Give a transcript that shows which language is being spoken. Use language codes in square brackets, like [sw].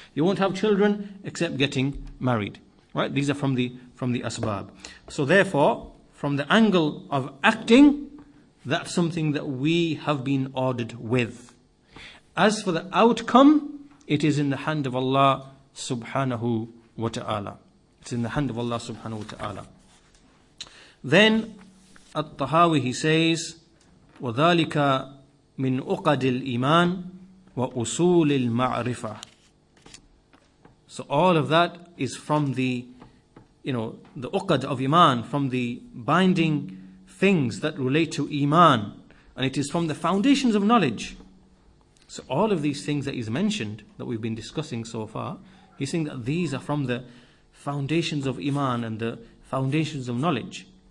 [en] You won't have children except getting married, right? These are from the asbab. So therefore, from the angle of acting, that's something that we have been ordered with. As for the outcome, it is in the hand of Allah subhanahu wa ta'ala. It's in the hand of Allah subhanahu wa ta'ala. Then At-Tahawi, he says, [ar] وَذَلِكَ مِنْ أُقَدِ الْإِيمَانِ وَأُصُولِ الْمَعْرِفَةِ. [en] So all of that is from the uqad of iman, from the binding things that relate to iman, and it is from the foundations of knowledge. So all of these things that he's mentioned, that we've been discussing so far, he's saying that these are from the foundations of iman and the foundations of knowledge.